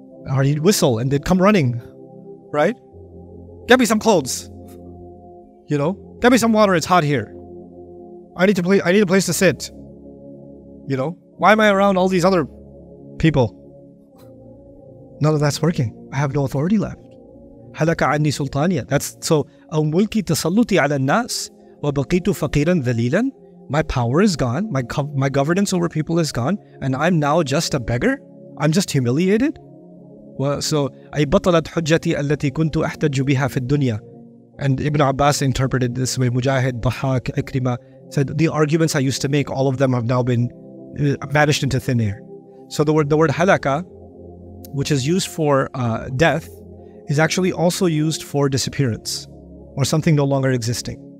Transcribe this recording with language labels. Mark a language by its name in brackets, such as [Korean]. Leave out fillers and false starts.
[English] Or he'd whistle and they'd come running. Right? Get me some clothes. You know? Get me some water, it's hot here. I need a place to sit. You know? Why am I around all these other people? None of that's working. I have no authority left. [Arabic] حَلَكَ عَنِّي سُلْطَانِيَةً. [English] That's so, [Arabic] أَوْ مُلْكِ تَسَلُّطِي عَلَى النَّاسِ وَبَقِيتُ فَقِيرًا ذَلِيلًا. [English] My power is gone, my governance over people is gone, and I'm now just a beggar? I'm just humiliated? Well, so, [Arabic] أَيْ بَطَلَتْ حُجَّتِي أَلَّتِي كُنْتُ أَحْتَجُ بِهَا فِي الدُّنْيَا. [English] And Ibn Abbas interpreted this way, Mujahid, Dahaq, Ikrima, said, the arguments I used to make, all of them have now been vanished into thin air. So the word halaka, which is used for death, is actually also used for disappearance or something no longer existing.